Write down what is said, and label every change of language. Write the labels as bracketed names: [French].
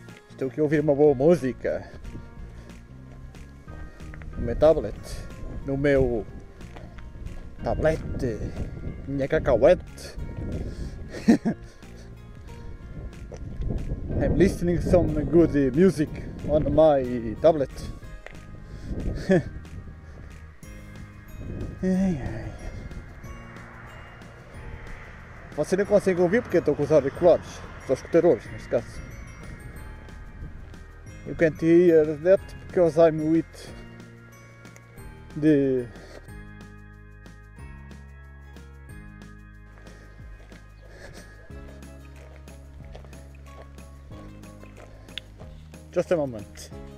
[Portuguese] Estou aqui a ouvir uma boa música no meu tablet, no meu tablet, minha cacauete. [English] I'm listening some good music on my tablet. [Portuguese] Você não consegue ouvir porque estou com os auriculares, os escutadores, neste caso. [English] You can't hear that because I'm with the just a moment.